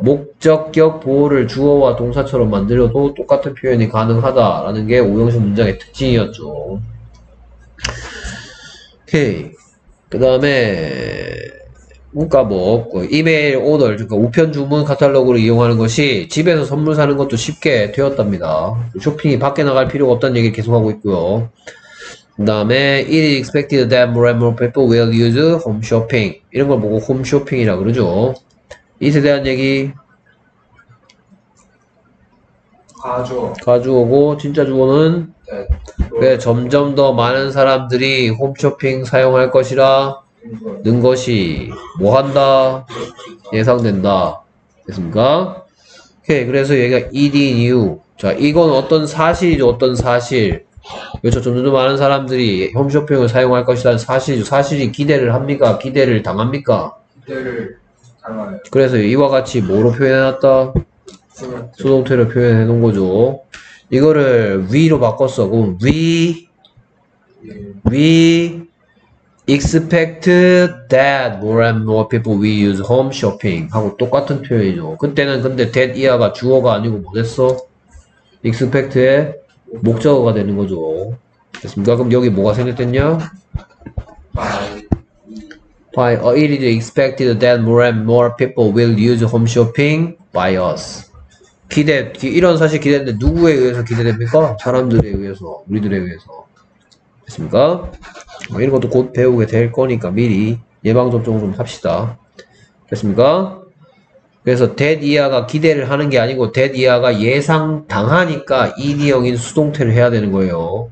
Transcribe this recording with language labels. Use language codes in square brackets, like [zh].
[ko] 목적격 보호를 주어와 동사처럼 만들어도 똑같은 표현이 가능하다라는 게 5형식 문장의 특징이었죠. 오케이. 그 다음에 문과 뭐 없고 이메일 오더, 그러니까 우편 주문 카탈로그를 이용하는 것이 집에서 선물 사는 것도 쉽게 되었답니다. 쇼핑이 밖에 나갈 필요가 없다는 얘기를 계속하고 있고요. 그 다음에 [en] It is expected that more and more people will use home shopping. [ko] 이런 걸 보고 홈 쇼핑이라 그러죠. 이에 대한 얘기 가주어고 진짜 주어는 네. 점점 더 많은 사람들이 홈쇼핑 사용할 것이라 는 것이 뭐한다? 예상된다. 됐습니까? 오케이. 그래서 얘가 ED인 이유. 자, 이건 어떤 사실이죠? 어떤 사실. 그렇죠. 점점 더 많은 사람들이 홈쇼핑을 사용할 것이라는 사실이죠. 사실이 기대를 합니까? 기대를 당합니까? 기대를 당하네. 그래서 이와 같이 뭐로 표현해놨다? 수동태로 표현해놓은 거죠. 이거를 we로 바꿨어. 그럼 [en] we expect that more and more people will use home shopping [ko] 하고 똑같은 표현이죠. 그때는 근데 that 이하가 주어가 아니고 뭐됐어? expect의 목적어가 되는 거죠. 됐습니까? 그럼 여기 뭐가 생겼겠냐? [en] By it is expected that more and more people will use home shopping by us. [ko] 기대, 이런 사실 기대인데 누구에 의해서 기대됩니까? 사람들에 의해서, 우리들에 의해서. 됐습니까? 뭐 이런 것도 곧 배우게 될 거니까 미리 예방접종 좀 합시다. 됐습니까? 그래서 that 이하가 기대를 하는 게 아니고 that 이하가 예상당하니까 ED형인 수동태를 해야 되는 거예요.